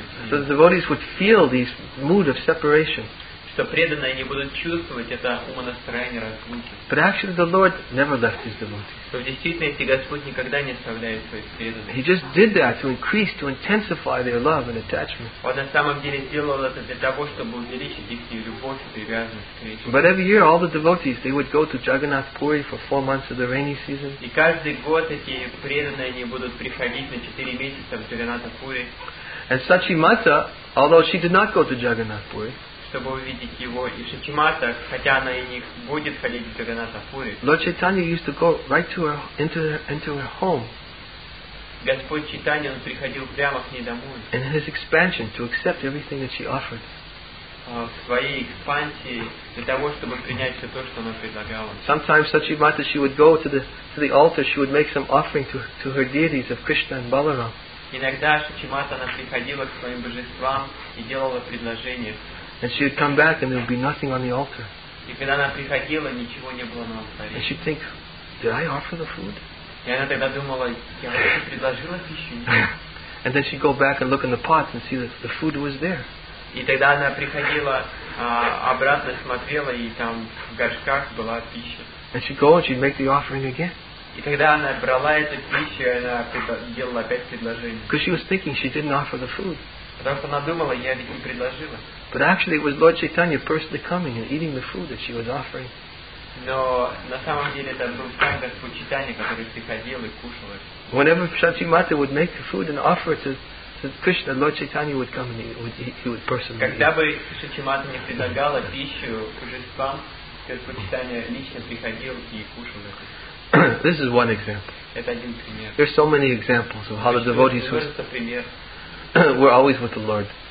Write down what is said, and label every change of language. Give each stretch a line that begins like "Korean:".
English: So the devotees would feel this mood of separation.
Russian: что преданные не будут чувствовать это умонастроение разлуки.
English: But actually the Lord never left his devotees.
Russian: В действительности Господь никогда не оставляет своих преданных.
English: He just did that to increase, to intensify their love and attachment.
Russian: Он на самом деле сделал это для того, чтобы увеличить их любовь и привязанность к Кришне.
English: But every year all the devotees they would go to Jagannath Puri for 4 months of the rainy season.
Russian: И каждый год эти преданные не будут приходить на 4 месяца в Джаганнатх Пури.
English: And Sachimata, although she did not go to Jagannath Puri,
Russian: чтобы увидеть его, и Шачимата, хотя она и не будет ходить в Джаганнатх Пури,
English: Lord Chaitanya used to go right to her, into her home.
Russian: Господь Чайтанья, он приходил прямо к ней домой.
English: In his expansion, to accept everything that she offered.
Russian: В своей экспансии для того, чтобы принять все то, что она предлагала.
English: Sometimes Sachimata, she would go to the altar, she would make some offering to her deities of Krishna and Balaram.
Russian: Иногда Шачимата она приходила к своим божествам и делала предложение.
English: And she would come back and there would be nothing on the altar.
Russian: И когда она приходила, ничего не было на алтаре.
English: And she'd think, did I offer the food?
Russian: И она тогда думала, я вообще предложила пищу?
English: And then she'd go back and look in the pots and see that the food was there.
Russian: И тогда она приходила обратно, смотрела, и там в горшках была пища.
English: And she'd go and she'd make the offering again.
Russian: И тогда она брала эту пищу, и она делала опять предложение.
English: Because she was thinking she didn't offer the food.
Russian: Потому что она думала, я ведь не предложила.
English: But actually it was Lord Chaitanya personally coming and eating the food that she was offering.
Russian: Но на самом деле это был сам Господь Чайтанья, который приходил и кушал это.
English: Whenever Shachimata would make the food and offer it to Krishna, Lord Chaitanya would come and he would personally eat.
Russian: Когда бы Шачимата не предлагала пищу божествам, Господь Чайтанья лично приходил и кушал это.
English: This is one example.
Russian: Это один пример.
English: There's so many examples of how the devotees were always with the Lord.